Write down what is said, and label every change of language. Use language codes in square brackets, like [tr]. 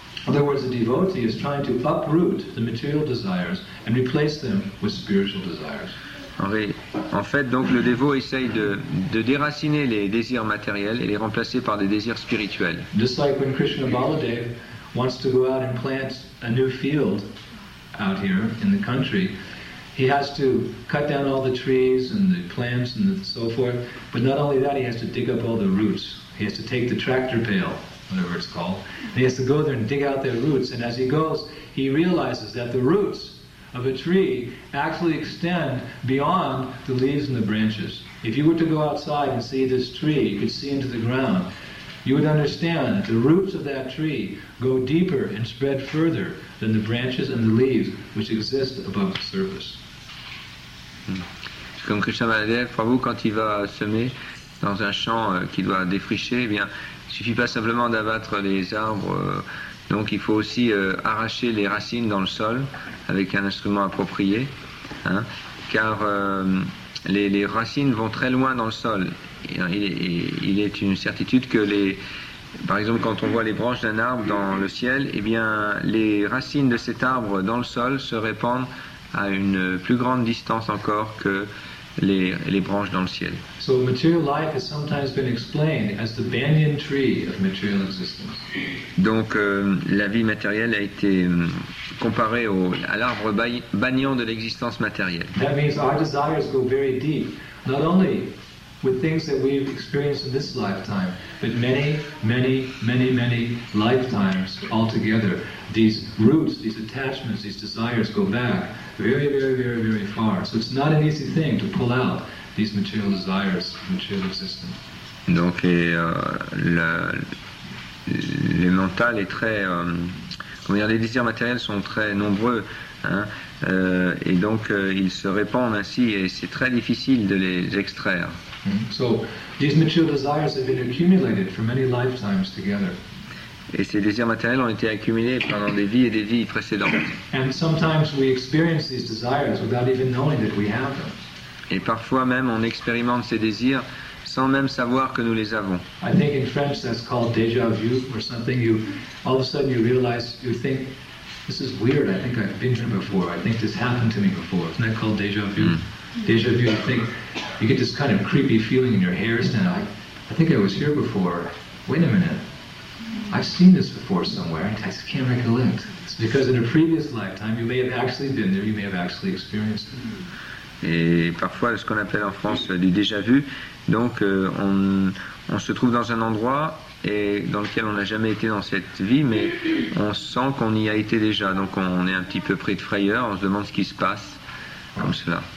[en] In other words, a devotee is trying to uproot the material desires and replace them with spiritual desires. [fr] En fait, donc, le dévot essaye de déraciner les désirs matériels et les remplacer par des désirs spirituels. [en] Just like when Krishna Baladev wants to go out and plant a new field out here in the country, he has to cut down all the trees and the plants and so forth. But not only that, he has to dig up all the roots. He has to take the tractor pail, whatever it's called, and he has to go there and dig out their roots. And as he goes, he realizes that the roots of a tree actually extend beyond the leaves and the branches. If you were to go outside and see this tree, you could see into the ground, you would understand that the roots of that tree go deeper and spread further than the branches and the leaves which exist above the surface. [fr] Comme Krishna Mahadev, Prabhu, quand il va semer dans un champ qu'il doit défricher, eh bien, ne suffit pas simplement d'abattre les arbres. Donc il faut aussi arracher les racines dans le sol avec un instrument approprié. Hein, car les racines vont très loin dans le sol. Il est une certitude que les... Par exemple, quand on voit les branches d'un arbre dans le ciel, eh bien, les racines de cet arbre dans le sol se répandent à une plus grande distance encore que les branches dans le ciel. [en] So material life has sometimes been explained as the banyan tree of material existence. [fr] Donc, la vie matérielle a été comparée à l'arbre banyan de l'existence matérielle. [en] That means our desires go very deep, not only with things that we've experienced in this lifetime, but many, many, many, many lifetimes altogether. These roots, these attachments, these desires go back very, very, very, very far. So it's not an easy thing to pull out these material desires, material existence. [fr] Donc, le mental est très, les désirs matériels sont très nombreux, hein, et donc ils se répandent ainsi, et c'est très difficile de les extraire. [en] So these material desires have been accumulated for many lifetimes together. [fr] Et ces désirs matériels ont été accumulés pendant des vies et des vies précédentes. [en] And sometimes we experience these desires without even knowing that we have them. [fr] Et parfois même on expérimente ces désirs sans même savoir que nous les avons. [en] I think in French that's called déjà vu or something. You all of a sudden you realize, you think, this is weird. I think I've been here before. I think this happened to me before. Isn't that called déjà vu? Mm. Déjà vu, I think. You get this kind of creepy feeling in your hair stand. I think I was here before. Wait a minute. I've seen this before somewhere. I just can't recollect. It's because in a previous lifetime, you may have actually been there. You may have actually experienced it. [fr] Et parfois, ce qu'on appelle en France du déjà vu, donc on se trouve dans un endroit et dans lequel on n'a jamais été dans cette vie, mais on sent qu'on y a été déjà. Donc on est un petit peu pris de frayeur. On se demande ce qui se passe, comme cela.